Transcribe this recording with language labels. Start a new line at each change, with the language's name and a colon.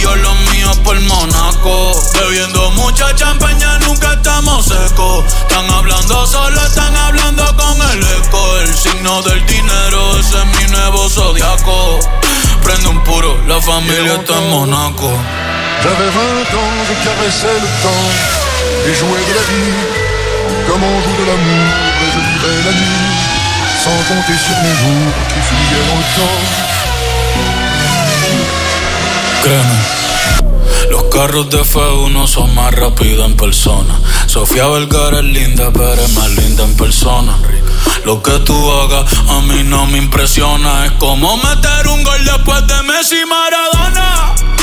Spanish: yo lo mío por Monaco. Bebiendo mucha champaña, nunca estamos secos. Están hablando solo, están hablando con el eco. El signo del dinero, ese es mi nuevo zodiaco. Prende un puro, la familia está en Monaco.
French: J'avais 20 ans, je caressais le temps et jouais de la vie comme on joue de l'amour. Et je vivais la nuit sans compter sur mes jours qui fuyaient dans le temps.
Spanish: Créeme. Los carros de F1 son más rápidos en persona. Sofía Vergara es linda, pero es más linda en persona. Lo que tú hagas a mí no me impresiona. Es como meter un gol después de Messi y Maradona.